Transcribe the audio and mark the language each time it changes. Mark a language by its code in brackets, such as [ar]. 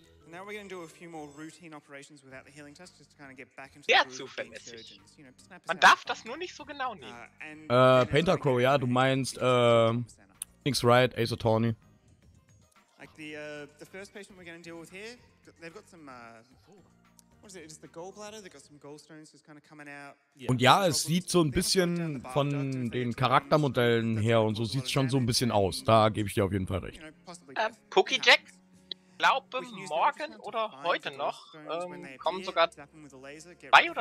[en] Now we're going to do a few more routine operations without the healing test, just to kind of get back into the groove. [de] Man darf das nur nicht so genau nehmen. Painter Crow, ja, du meinst, Things Right, Ace Attorney. [en] Like the first patient we're going to deal with here, they've got some, what is it, is the gallbladder, they've got some gallstones just kind of coming out. [de] Und ja, es sieht so ein bisschen von den Charaktermodellen her und so sieht es schon so ein bisschen aus, da gebe ich dir auf jeden Fall recht. [en] Cookie Jack? [de] Ich glaube, morgen oder heute noch kommen sogar zwei oder